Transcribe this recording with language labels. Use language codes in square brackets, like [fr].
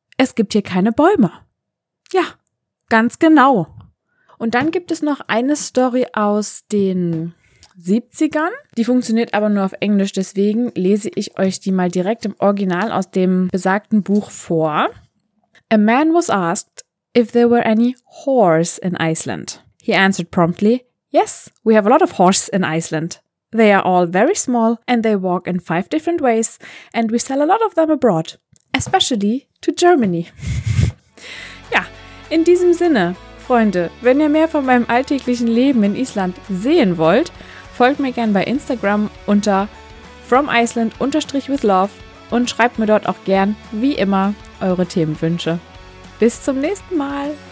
[de] Es gibt hier keine Bäume. Ja, ganz genau. Und dann gibt es noch eine Story aus den 70ern. Die funktioniert aber nur auf Englisch, deswegen lese ich euch die mal direkt im Original aus dem besagten Buch vor. [en] A man was asked if there were any whores in Iceland. He answered promptly, yes, we have a lot of whores in Iceland. They are all very small and they walk in 5 different ways and we sell a lot of them abroad, especially to Germany. [de] Ja, in diesem Sinne, Freunde, wenn ihr mehr von meinem alltäglichen Leben in Island sehen wollt, folgt mir gern bei Instagram unter fromiceland_withlove und schreibt mir dort auch gern, wie immer, eure Themenwünsche. Bis zum nächsten Mal!